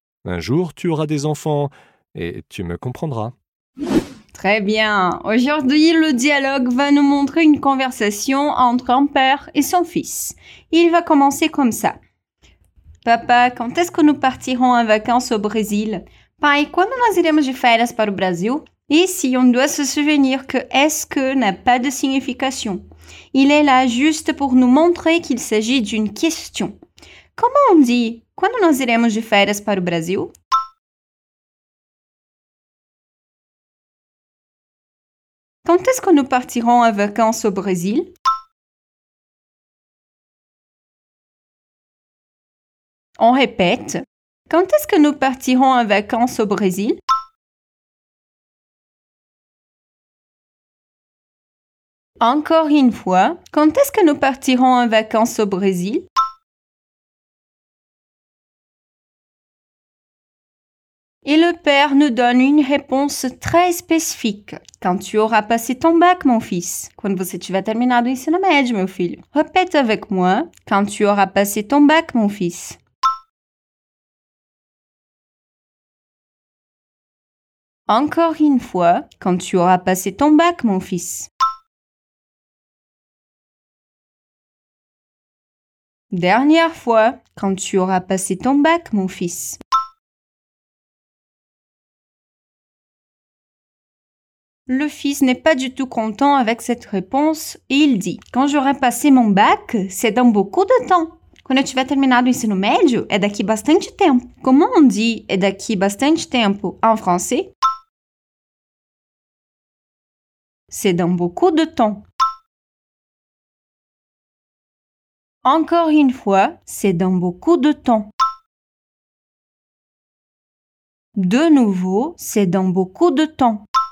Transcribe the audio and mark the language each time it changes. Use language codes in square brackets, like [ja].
[fr] Un jour, tu auras des enfants et tu me comprendras. Très bien. Aujourd'hui, le dialogue va nous montrer une conversation entre un père et son fils. Il va commencer comme ça. Papa, quand est-ce que nous partirons en vacances au Brésil? [pt] Pai, quando nós iremos de férias para o Brasil? [fr] Ici, on doit se souvenir que « est-ce que » n'a pas de signification. Il est là juste pour nous montrer qu'il s'agit d'une question. Comment on dit « [pt] quando nós iremos de férias para o Brasil ?» [fr] Quand est-ce que nous partirons en vacances au Brésil ? On répète. Quand est-ce que nous partirons en vacances au Brésil ? Encore une fois, quand est-ce que nous partirons en vacances au Brésil ? Et le père nous donne une réponse très spécifique. Quand tu auras passé ton bac, mon fils. [pt] Quando você tiver terminado o ensino médio, meu filho. [fr] Répète avec moi. Quand tu auras passé ton bac, mon fils. Encore une fois, quand tu auras passé ton bac, mon fils. Dernière fois, quand tu auras passé ton bac, mon fils. Le fils n'est pas du tout content avec cette réponse et il dit « Quand j'aurai passé mon bac, c'est dans beaucoup de temps. [pt] Quando tiver terminado o ensino médio, é daqui bastante tempo. » [fr] Comment on dit [pt] « é daqui bastante tempo » [fr] en français? C'est dans beaucoup de temps. Encore une fois, c'est dans beaucoup de temps. De nouveau, c'est dans beaucoup de temps.